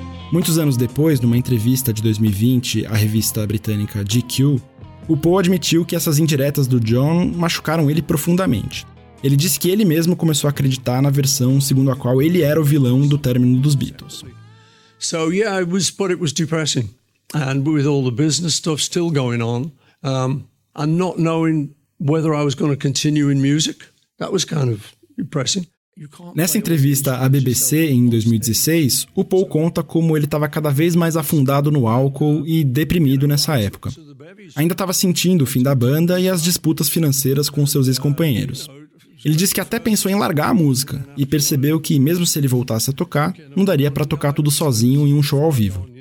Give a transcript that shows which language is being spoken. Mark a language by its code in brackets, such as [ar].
[pt] Muitos anos depois, numa entrevista de 2020 à revista britânica GQ, o Paul admitiu que essas indiretas do John machucaram ele profundamente. Ele disse que ele mesmo começou a acreditar na versão segundo a qual ele era o vilão do término dos Beatles. [en] So yeah, it was depressing. And with all the business stuff still going on, and not knowing whether I was going to continue in music, that was kind of depressing. [pt] Nessa entrevista à BBC em 2016, o Paul conta como ele estava cada vez mais afundado no álcool e deprimido nessa época. Ainda estava sentindo o fim da banda e as disputas financeiras com seus ex-companheiros. Ele disse que até pensou em largar a música e percebeu que, mesmo se ele voltasse a tocar, não daria para tocar tudo sozinho em um show ao vivo.